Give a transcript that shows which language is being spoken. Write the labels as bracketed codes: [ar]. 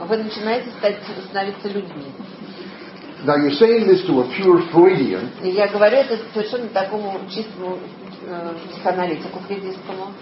[ru] Вы начинаете становиться людьми. [en] Now you're saying this to a pure Freudian. [ru] И я говорю это совершенно такому чистому психоаналитику фридистскому.